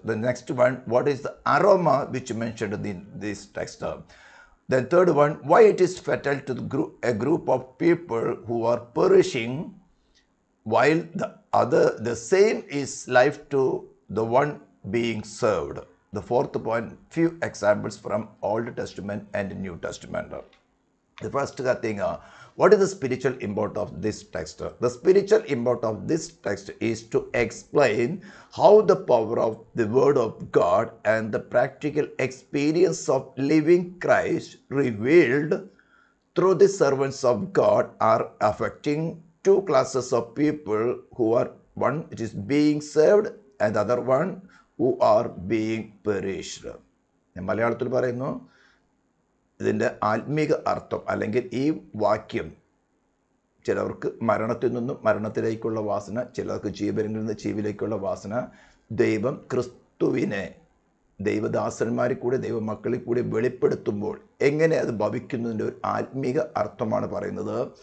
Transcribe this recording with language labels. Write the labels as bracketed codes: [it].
[en] The next one what is the aroma which mentioned in this text. Then third one why it is fatal to a group of people who are perishing while the other the same is life to the one being saved. The fourth point, few examples from Old Testament and New Testament. The first thing, what is the spiritual import of this text? The spiritual import of this text is to explain how the power of the Word of God and the practical experience of living Christ revealed through the servants of God are affecting two classes of people, who are one which is being saved and the other one who are being perished. In Malayalam, [ml] ഇതിൻ്റെ ആത്മീക അർത്ഥം അല്ലെങ്കിൽ ഈ വാക്യം ചിലർക്ക് മരണത്തിൽ നിന്നും മരണത്തിലേക്കുള്ള വാസന, ചിലർക്ക് ജീവനിൽ നിന്ന് ജീവിലേക്കുള്ള വാസന, ദൈവം ക്രിസ്തുവിനെ ദൈവദാസന്മാരിൽ കൂടി ദൈവമക്കളിൽ കൂടി വെളിപ്പെടുത്തുമ്പോൾ എങ്ങനെ അത് ഭവിക്കുന്നതിൻ്റെ ഒരു ആത്മീക അർത്ഥമാണ് പറയുന്നത്.